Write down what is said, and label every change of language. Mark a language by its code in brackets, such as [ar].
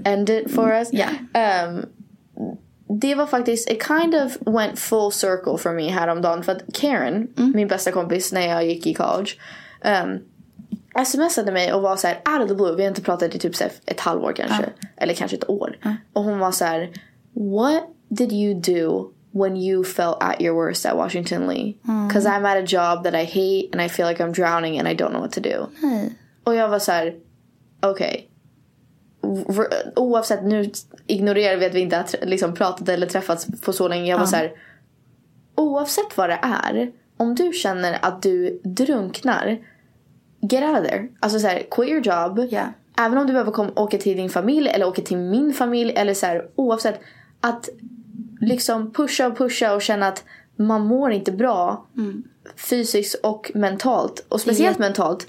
[en] End it for us? Yeah. [sv] Det var faktiskt, [en] it kind of went full circle for me [sv] häromdagen. För att Karen, min bästa kompis när jag gick i college, smsade mig och var så här, [en] out of the blue. [sv] Vi har inte pratat i typ så här, ett halvår kanske. Eller kanske ett år. Och hon var så här, [en] what did you do when you felt at your worst at Washington Lee? Because I'm at a job that I hate and I feel like I'm drowning and I don't know what to do. [sv] Och jag var så här, okej. oavsett, nu ignorerar vi att vi inte har liksom pratat eller träffats på så länge. Jag var så här, oavsett vad det är, om du känner att du drunknar, [en] get out of there. [sv] Alltså så här, [en] quit your job. Yeah. [sv] Även om du behöver åka till din familj eller åka till min familj eller så här, oavsett, att liksom pusha och pusha och känna att man mår inte bra fysiskt och mentalt, och speciellt mentalt.